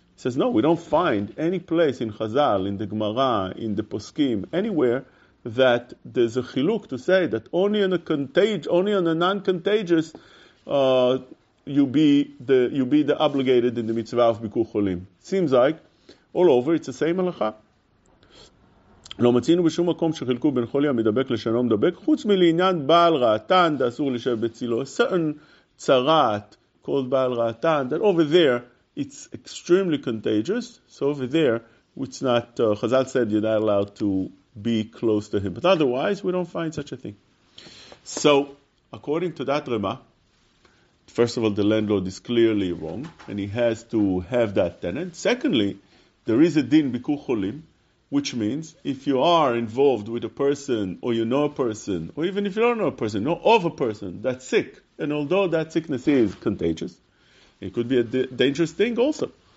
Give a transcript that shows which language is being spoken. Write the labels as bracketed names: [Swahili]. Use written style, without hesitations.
[English] He says, no, we don't find any place in Chazal, in the Gemara, in the Poskim, anywhere that there's a chiluk to say that only on a non-contagious, you be the obligated in the mitzvah of Bikur Cholim. Seems like all over it's the same halacha. [Hebrew] לא מצינו בשום מקום שחלקו בין חולי המדבק לשנו מדבק, חוץ מלעניין בעל רעתן, דאסור לשב בצילו. [English] A certain צרעת called בעל רעתן, that over there, it's extremely contagious. So over there, it's not, Chazal said, you're not allowed to be close to him. But otherwise, we don't find such a thing. So, according to that Rema, first of all, the landlord is clearly wrong, and he has to have that tenant. Secondly, there is a din bikur cholim, which means if you are involved with a person, or you know a person, or even if you don't know a person, know of a person that's sick, and although that sickness is contagious, it could be a dangerous thing also.